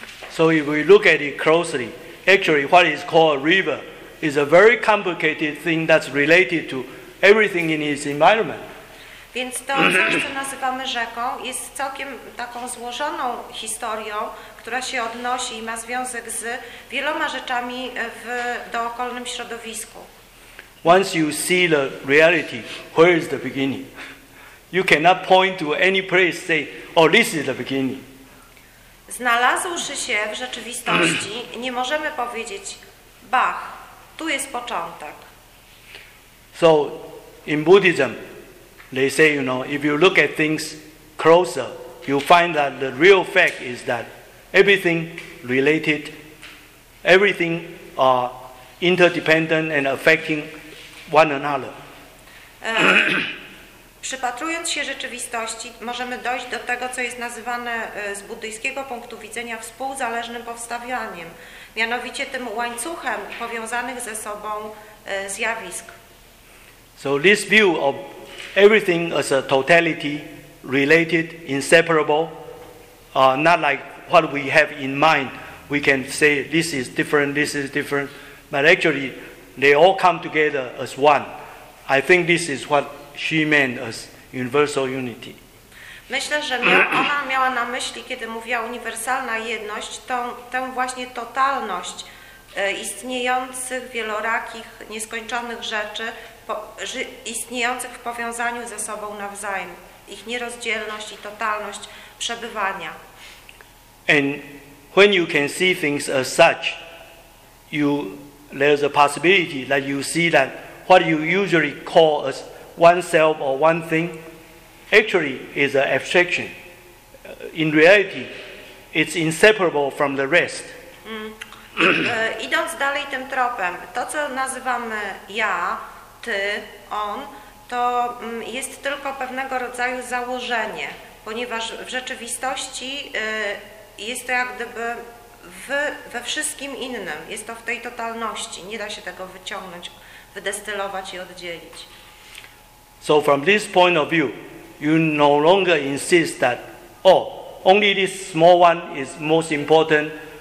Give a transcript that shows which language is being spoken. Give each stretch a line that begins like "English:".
English: So if we look at it closely, actually what is called a river is a very complicated thing that's related to everything in its environment.
Polish: Więc to, co nazywamy rzeką, jest całkiem taką złożoną historią, która się odnosi i ma związek z wieloma rzeczami w dookolnym środowisku.
English: Once you see the reality, where is the beginning? You cannot point to any place, say, oh, this is the beginning.
Polish: Znalazłszy się w rzeczywistości, nie możemy powiedzieć, bach, tu jest początek.
English: So, in Buddhism, they say, you know, if you look at things closer, you find that the real fact is that everything related, everything are interdependent and affecting one another.
Polish: Przypatrując się rzeczywistości, możemy dojść do tego, co jest nazywane z buddyjskiego punktu widzenia współzależnym powstawianiem, mianowicie tym łańcuchem powiązanych ze sobą zjawisk.
English: So this view of everything as a totality, related, inseparable, not like what we have in mind. We can say this is different, this is different, but actually they all come together as one. I think this is what she meant as universal unity.
Polish: Myślę, że ona miała na myśli, kiedy mówiła uniwersalna jedność, tę właśnie totalność istniejących wielorakich, nieskończonych rzeczy, istniejących w powiązaniu ze sobą nawzajem, ich nierozdzielność i totalność przebywania.
English: And when you can see things as such, there's a possibility that you see that what you usually call as oneself or one thing actually is an abstraction. In reality, it's inseparable from the rest.
Polish: Idąc dalej tym tropem, to co nazywamy ja, ty, on, to jest tylko pewnego rodzaju założenie, ponieważ w rzeczywistości jest to jak gdyby we wszystkim innym, jest to w tej totalności, nie da się tego wyciągnąć, wydestylować i oddzielić.
English: So from this point of view, you no longer insist that, oh, only this small one is most important.